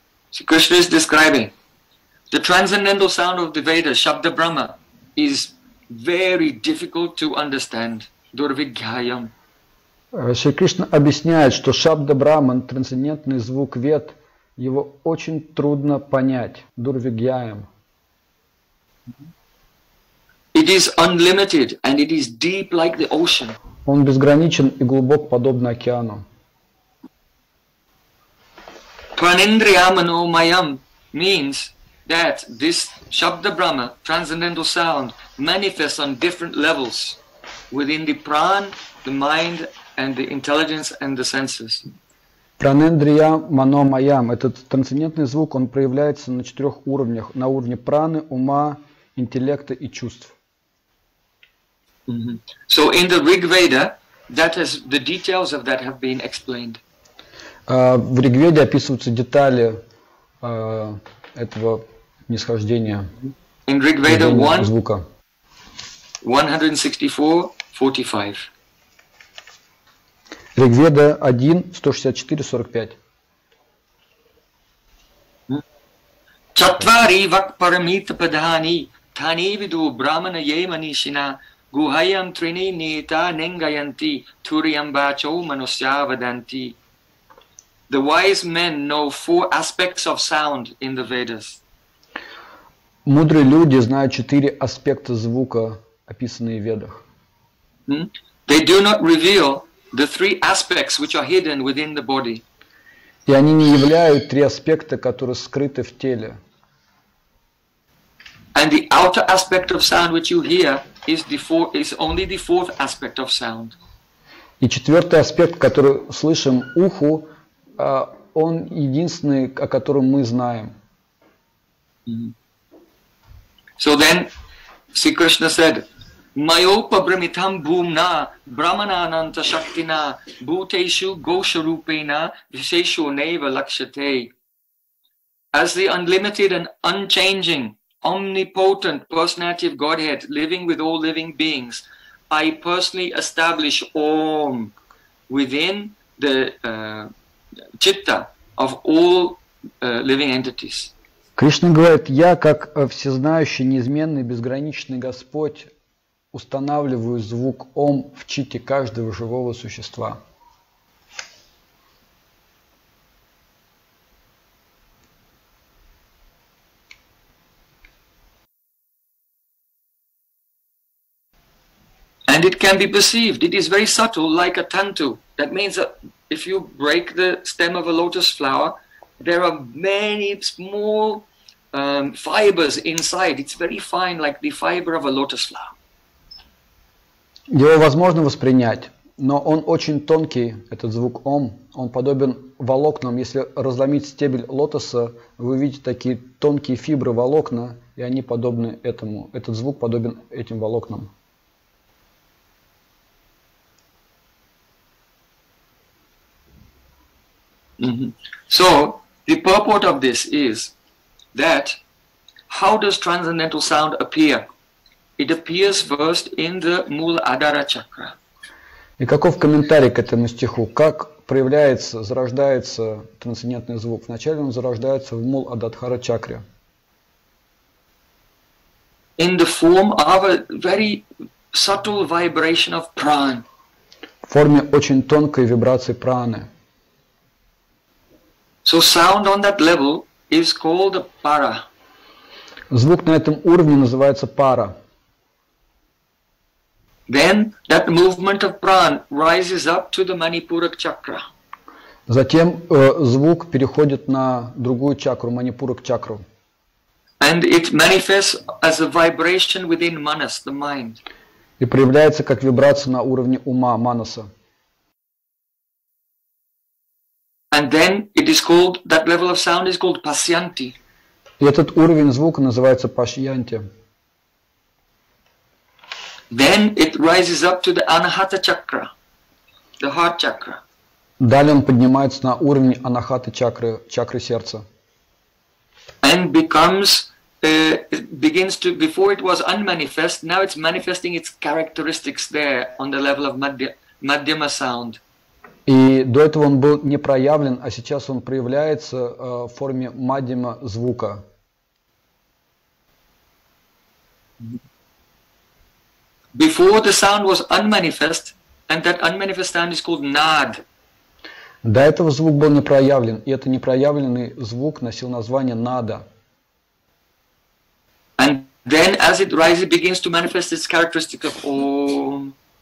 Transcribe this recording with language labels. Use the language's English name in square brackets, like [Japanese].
[English] So Krishna is describing the transcendental sound of the Vedas, Shabda Brahma, is very difficult to understand. [Sanskrit] Дурвигхаям. [Russian] Шри Кришна объясняет, что Шабда Брахман, трансцендентный звук Вед, его очень трудно понять. [Sanskrit] Дурвигьяем. [English] It is unlimited and it is deep like the ocean. [Russian] Он безграничен и глубок, подобно океану. [English] Pranindriya Manomayam means that this Shabda Brahma, transcendental sound, manifests on different levels within the pran, the mind, and the intelligence and the senses. [Russian] Pranendriya Manomayam, этот трансцендентный звук, он проявляется на четырех уровнях: на уровне праны, ума, интеллекта и чувств. [English] So in the Rig Veda, that has the details of that have been explained. [Russian] В Ригведе описываются детали этого нисхождения. [English] In Rig Veda 1, [Russian] звука. [English] 164-45. [Russian] Ригведа 1, 164-45. [Sanskrit] Чатвари вак парамит падхани тани виду брамана ямани шина гухайам трини нита ненгаянти туриям бачоу манусья ваданти. [English] The wise men know four aspects of sound in the Vedas. [Russian] Мудрые люди знают четыре аспекта звука, описанные в Ведах. [English] They do not reveal the three aspects which are hidden within the body. [Russian] И они не являют три аспекта, которые скрыты в теле. [English] And the outer aspect of sound which you hear is the four, is only the fourth aspect of sound. [Russian] И четвертый аспект, который слышим уху, он единственный, о котором мы знаем. [English] So then, Sri Krishna said, [Sanskrit] Майопа брамитам бумна брамана ананта шактина бутейшу гоша рупейна висейшу нейва лакшате. [English] As the unlimited and unchanging, omnipotent personality of Godhead, living with all living beings, I personally establish Om within the Читта of all living entities. [Russian] Кришна говорит, я как всезнающий, неизменный, безграничный Господь устанавливаю звук Ом в чите каждого живого существа. [English] And it can be perceived. It is very subtle, like a tantu. That means that if you break the stem of a lotus flower, there are many small fibers inside. It's very fine, like the fiber of a lotus flower. [Russian] Его возможно воспринять, но он очень тонкий, этот звук Ом. Он подобен волокнам. Если разломить стебель лотоса, вы увидите такие тонкие фибры волокна, и они подобны этому. Этот звук подобен этим волокнам. [English] So the purport of this is that how does transcendental sound appear? It appears first in the Mula Adhara Chakra. [Russian] И каков комментарий к этому стиху? Как проявляется, зарождается трансцендентный звук? Вначале он зарождается в Мул Адхара Чакре. [English] In the form of a very subtle vibration of prana. [Russian] В форме очень тонкой вибрации праны. [English] So sound on that level is called para. [Russian] Звук на этом уровне называется para. [English] Then that movement of prana rises up to the Manipurak chakra. [Russian] Затем звук переходит на другую чакру, Манипурак чакру. [English] And it manifests as a vibration within manas, the mind. [Russian] И проявляется как вибрация на уровне ума, манаса. [English] And then it is called, that level of sound is called pasyanti. [Russian] И этот уровень звука называется пасьянти. [English] Then it rises up to the anahata chakra, the heart chakra. [Russian] Далее он поднимается на уровень анахаты чакры, чакры сердца. [English] And becomes, begins to, before it was unmanifest, now it's manifesting its characteristics there on the level of madhyama sound. [Russian] И до этого он был не проявлен, а сейчас он проявляется в форме мадхьяма звука. [English] Before the sound was unmanifest, and that unmanifest sound is called nad. [Russian] До этого звук был не проявлен, и этот непроявленный звук носил название нада. [English] And then as it rises, it begins to manifest its characteristic of om.